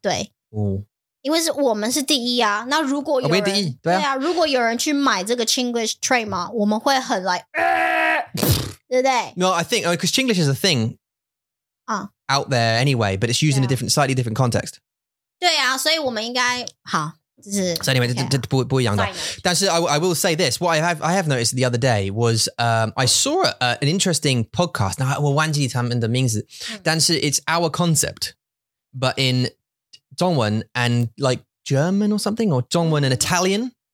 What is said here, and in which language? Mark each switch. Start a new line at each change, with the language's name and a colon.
Chinese: 对。哦。因为是我们是第一啊。那如果有人第一，对啊，如果有人去买这个 Chinglish trademark， 我们会很 like， 对不对
English: ？No, I think because Chinglish is a thing. Out there anyway, but it's used in a different, slightly different context.
Chinese: 对啊，所以我们应该好，就是
English: So anyway, okay,
Chinese: 不一样的。
English: 但是 I will say this, what I have noticed the other day was I saw an interesting podcast.
Chinese: 我忘记他们的名字，但是
English: it's our concept, but in 中文 and like German or something, or 中文 and Italian.